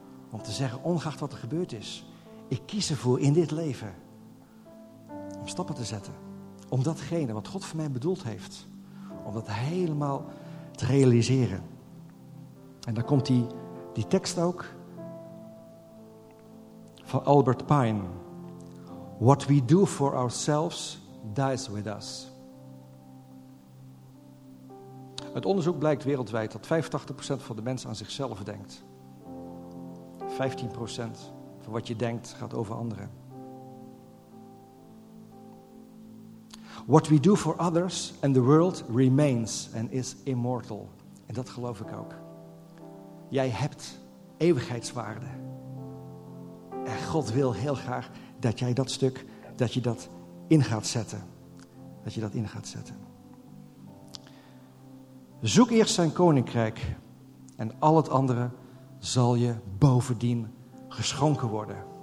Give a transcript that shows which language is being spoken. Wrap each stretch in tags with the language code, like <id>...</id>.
<nl>Om te zeggen, ongeacht wat er gebeurd is, ik kies ervoor in dit leven om stappen te zetten. Om datgene wat God voor mij bedoeld heeft, om dat helemaal te realiseren. En dan komt die tekst ook van Albert Pine.</nl> <en>What we do for ourselves dies with us.</en> <nl>Het onderzoek blijkt wereldwijd dat 85% van de mensen aan zichzelf denkt. 15% van wat je denkt gaat over anderen.</nl> <en>What we do for others and the world remains and is immortal.</en> <nl>En dat geloof ik ook. Jij hebt eeuwigheidswaarde. En God wil heel graag dat jij dat stuk, dat je dat in gaat zetten. Zoek eerst zijn koninkrijk en al het andere zal je bovendien geschonken worden.</nl>